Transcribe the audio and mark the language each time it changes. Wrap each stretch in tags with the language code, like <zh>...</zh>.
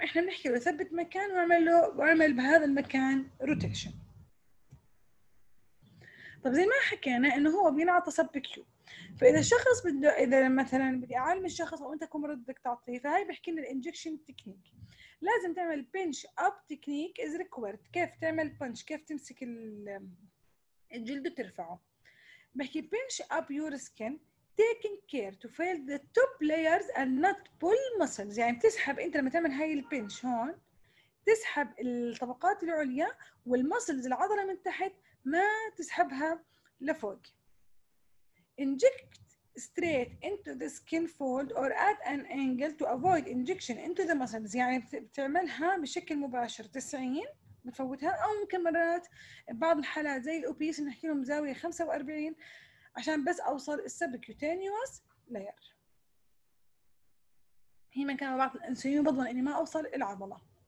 <ar>احنا بنحكي له ثبت مكان واعمل له واعمل بهذا المكان روتيشن. طب زي ما حكينا انه هو بينعطى سب كيو، فاذا الشخص بده اذا مثلا بدي اعلم الشخص او انت كمرض بدك تعطيه، فهي بحكي لنا الانجكشن تكنيك، لازم تعمل</ar> <en>Pinch up technique is required.</en> <ar>كيف تعمل بنش؟ كيف تمسك الجلد وترفعه؟ بحكي</ar> <en>pinch up your skin taking care to feel the top layers and not pull muscles.</en> <ar>يعني بتسحب انت لما تعمل هاي البنش هون تسحب الطبقات العليا والمسلز العضلة من تحت ما تسحبها لفوق.</ar> <en>inject straight into the skin fold or at an angle to avoid injection into the muscles.</en> <ar>يعني بتعملها بشكل مباشر 90 بتفوتها، او ممكن مرات بعض الحالات زي الاوبيس نحكي لهم زاويه 45 عشان بس اوصل السبكيوتينيوس لاير، هي مكان بعض الانسولين بضمن اني ما اوصل العضله.</ar>